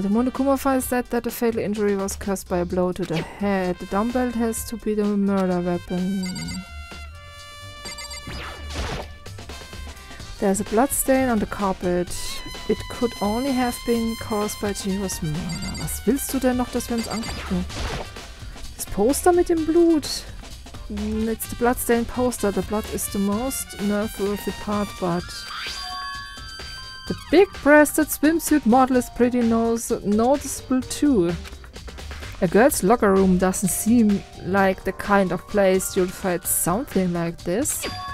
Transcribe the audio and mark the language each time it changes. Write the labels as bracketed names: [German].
[English] The Monokuma file said that the fatal injury was caused by a blow to the head. The dumbbell has to be the murder weapon. There's a bloodstain on the carpet. It could only have been caused by Chihiro's murder. [German] Was willst du denn noch, dass wir uns angucken? Das Poster mit dem Blut. [English] It's the bloodstain poster. The blood is the most noteworthy part, but... The big-breasted swimsuit model is pretty noticeable too. A girl's locker room doesn't seem like the kind of place you'd find something like this.